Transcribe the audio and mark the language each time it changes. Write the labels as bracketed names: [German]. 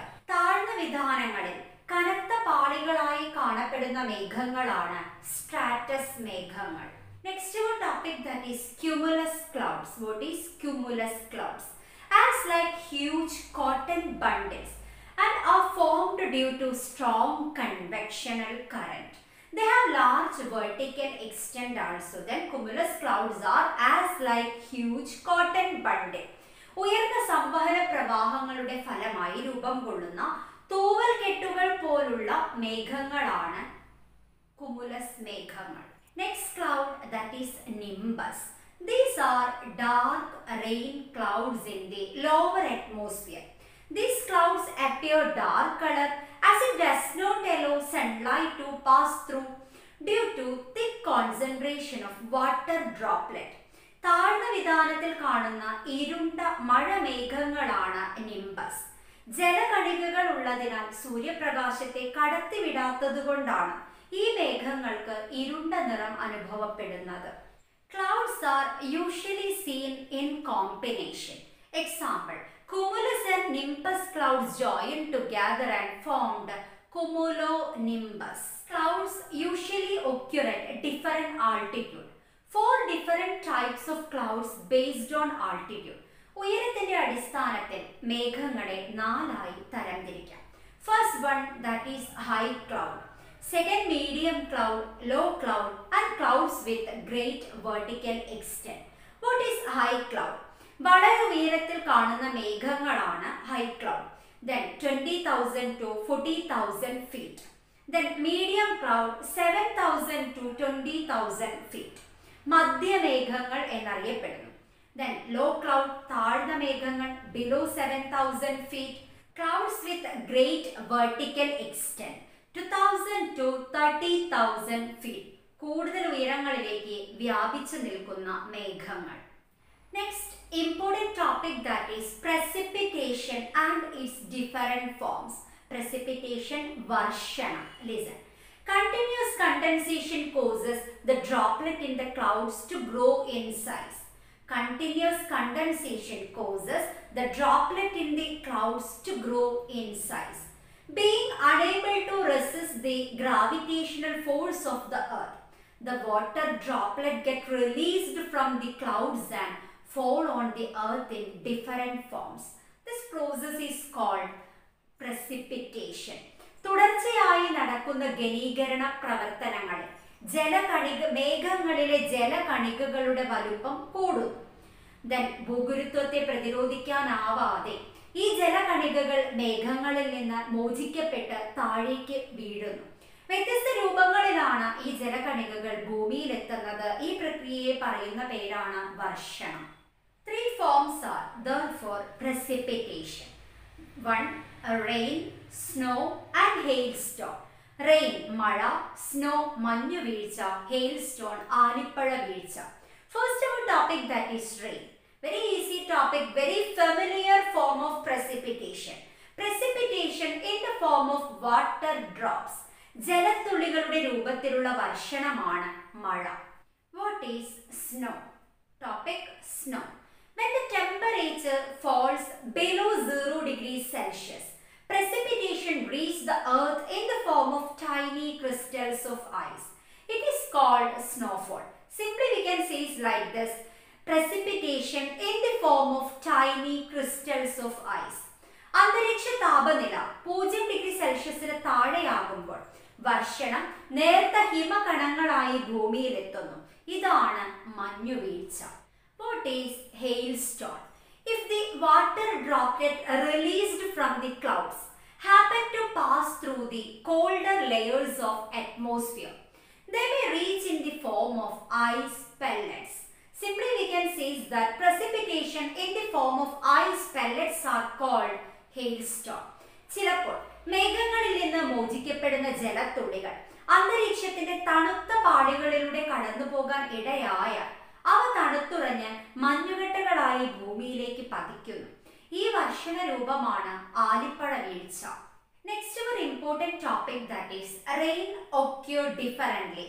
[Malayalam] താഴ്ന്ന വിധാനങ്ങളിൽ കനത്ത പാളികളായി കാണപ്പെടുന്ന മേഘങ്ങളാണ് സ്ട്രാറ്റസ് മേഘങ്ങൾ. [English] Next one topic, that is cumulus clouds. What is cumulus clouds? As like huge cotton bundles and are formed due to strong convectional current. They have large vertical extent also. Then cumulus clouds are as like huge cotton bundle. [Malayalam] ഉയർന്ന സംവഹന പ്രവാഹങ്ങളുടെ ഫലമായി രൂപം കൊള്ളുന്ന തൂവൽ കെട്ടുകൾ പോലുള്ള മേഘങ്ങളാണ് cumulus മേഘങ്ങൾ. [English] Next cloud that is nimbus. These are dark rain clouds in the lower atmosphere. These clouds appear dark colour as it does not allow sunlight to pass through due to thick concentration of water droplet. [Malayalam] താഴ്ന്ന വിധാനത്തിൽ കാണുന്ന ഇരുണ്ട മഴ മേഘങ്ങളാണ് nimbus. ജലകണികകൾ ഉള്ളതിനാൽ സൂര്യപ്രകാശത്തെ കടത്തിവിടാത്തത് കൊണ്ടാണ് ഈ മേഘങ്ങൾക്ക് ഇരുണ്ട നിറം അനുഭവപ്പെടുന്നത്. [English] Clouds are usually seen in combination. Example, cumulus and nimbus clouds join together and formed cumulonimbus. Clouds usually occur at different altitude. Four different types of clouds based on altitude. [Malayalam] ഉയരത്തിന്റെ അടിസ്ഥാനത്തിൽ മേഘങ്ങളെ നാലായി തരംതിരിക്കാം. [English] First one, that is high cloud. Second, medium cloud, low cloud and clouds with great vertical extent. What is high cloud? [Malayalam] വളരെ ഉയരത്തിൽ കാണുന്ന മേഘങ്ങളാണ് high cloud. [English] Then 20,000 to 40,000 feet. Then medium cloud, 7,000 to 20,000 feet. [Malayalam] മധ്യമേഘങ്ങൾ എന്നറിയപ്പെടുന്നു. [English] then low cloud, [Malayalam] താഴ്ന്ന മേഘങ്ങൾ, [English] Below 7,000 feet. Clouds with great vertical extend, 2,000 to 30,000 feet. [Malayalam] കൂടുതൽ ഉയരങ്ങളിലേക്ക് വ്യാപിച്ചു നിൽക്കുന്ന മേഘങ്ങൾ. [English] Next important topic, that is precipitation and its different forms. [Malayalam] Precipitation, വർഷണം. [English] Listen, continuous condensation causes the droplet in the clouds to grow in size. Continuous condensation causes the droplet in the clouds to grow in size. Being unable to resist the gravitational force of the earth, the water droplet get released from the clouds and fall on the earth in different forms. This process is called precipitation. [Malayalam] തുടർച്ചയായി നടക്കുന്ന ഘനീകരണ പ്രവർത്തനങ്ങളിൽ മേഘങ്ങളിലെ ജലകണികകളുടെ വലുപ്പം കൂടുന്നു. Then ഭൂഗുരുത്വത്തെ പ്രതിരോധിക്കാനാവാതെ ഈ ജലകണികകൾ മേഘങ്ങളിൽ നിന്ന് മോചിക്കപ്പെട്ട് താഴേക്ക് വീഴുന്നു. വ്യത്യസ്ത രൂപങ്ങളിലാണ് ഈ ജലകണികകൾ ഭൂമിയിലെത്തുന്നത്. ഈ പ്രക്രിയയെ പറയുന്ന പേരാണ് വർഷണം. [English] Three forms are therefore precipitation. One, rain, snow and hailstone. Rain, mala, snow, [Malayalam] manju veelcha, [English] hailstone, [Malayalam] aalippala veelcha. [English] First of all topic, that is rain. Very easy topic, very familiar form of precipitation. Precipitation in the form of water drops. [Malayalam] ജലത്തുള്ളികളുടെ രൂപത്തിലുള്ള വർഷണമാണ് മഴ. [English] What is snow? Topic, snow. When the temperature falls below 0 degrees Celsius, precipitation reaches the earth in the form of tiny crystals of ice. It is called snowfall. Simply we can say it like this, precipitation in the form of tiny crystals of ice. [Malayalam] അന്തരീക്ഷ താപനില 0 degree സെൽഷ്യസിന് താഴെയാകുമ്പോൾ വർഷണം നേർത്ത ഹിമകണങ്ങളായി ഭൂമിയിലെത്തുന്നു. ഇതാണ് മഞ്ഞുവീഴ്ച. [English] What is hailstone? If the water droplet released from the clouds happen to pass through the colder layers of atmosphere, they may reach in the form of ice pellets. Simply we can say that precipitation in the form of ice pellets are called hailstone. [Malayalam] ചിലപ്പോൾ മേഘങ്ങളിൽ നിന്ന് മോചിക്കപ്പെടുന്ന ജലത്തുള്ളികൾ അന്തരീക്ഷത്തിന്റെ തണുത്ത പാളികളിലൂടെ കടന്നുപോകാൻ ഇടയായ അവ തണുത്തുറഞ്ഞ് മഞ്ഞുകെട്ടുകളായി ഭൂമിയിലേക്ക് പതിക്കുന്നു. ഈ വർഷണ രൂപമാണ് ആലിപ്പഴ വീഴ്ച. [English] Next ഒരു important topic, that is rain occur differently.